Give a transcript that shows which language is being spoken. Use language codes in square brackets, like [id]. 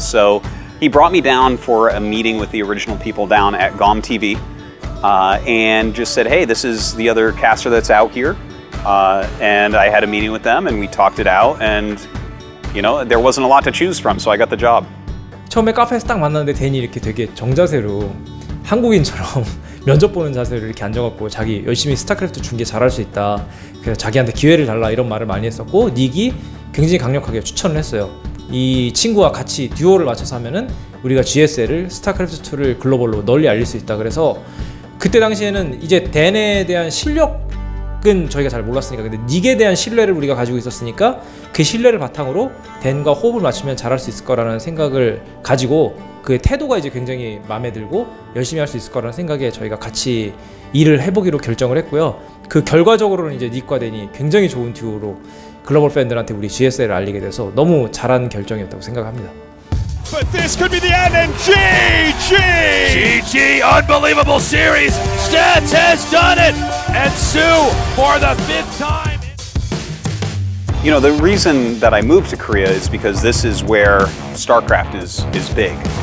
[en] So he brought me down for a meeting with the original people down at GOM TV, and just said, hey, this is the other caster that's out here. And I had a meeting with them, and we talked it out, and you know, there wasn't a lot to choose from, so I got the job. [ko] 처음에 카페에서 딱 만났는데 댄이 이렇게 되게 정자세로 한국인처럼 면접 보는 자세를 이렇게 앉아갖고 자기 열심히 스타크래프트 중계 잘할 수 있다. 그래서 자기한테 기회를 달라 이런 말을 많이 했었고 닉이 굉장히 강력하게 추천을 했어요. 이 친구와 같이 듀오를 맞춰서 하면은 우리가 GSL을 스타크래프트 2를 글로벌로 널리 알릴 수 있다. 그래서 그때 당시에는 이제 댄에 대한 실력 은 저희가 잘 몰랐으니까 근데 닉에 대한 신뢰를 우리가 가지고 있었으니까 그 신뢰를 바탕으로 댄과 호흡을 맞추면 잘할 수 있을 거라는 생각을 가지고 그 태도가 이제 굉장히 마음에 들고 열심히 할 수 있을 거라는 생각에 저희가 같이 일을 해보기로 결정을 했고요. 그 결과적으로는 이제 닉과 댄이 굉장히 좋은 듀오로 글로벌 팬들한테 우리 GSL을 알리게 돼서 너무 잘한 결정이었다고 생각합니다. [en] But this could be the end, and GG! GG, unbelievable series! Stats has done it! And Sue, for the fifth time! You know, the reason that I moved to Korea is because this is where StarCraft is big.